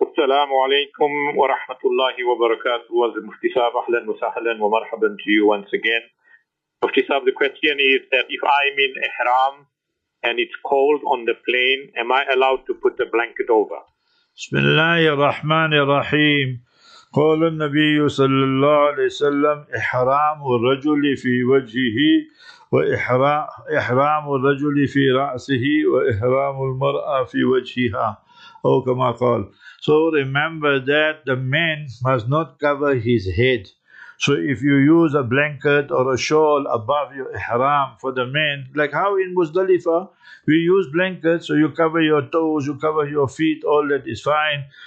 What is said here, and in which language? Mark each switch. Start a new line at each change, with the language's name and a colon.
Arabic: السلام عليكم ورحمة الله وبركاته. مفتي صاحب أهلا وسهلا ومرحبا to you once again.
English: مفتي صاحب, the question is that if I'm in إحرام and it's cold on the plane, am I allowed to put a blanket over?
Arabic: بسم الله الرحمن الرحيم. قال النبي صلى الله عليه وسلم إحرام الرجل في وجهه وإحرام الرجل في رأسه وإحرام المرأة في وجهها. Oh, كما قال.
English: So remember that the man must not cover his head. So if you use a blanket or a shawl above your ihram for the man, like how in Muzdalifa we use blankets, so you cover your toes, you cover your feet, all that is fine.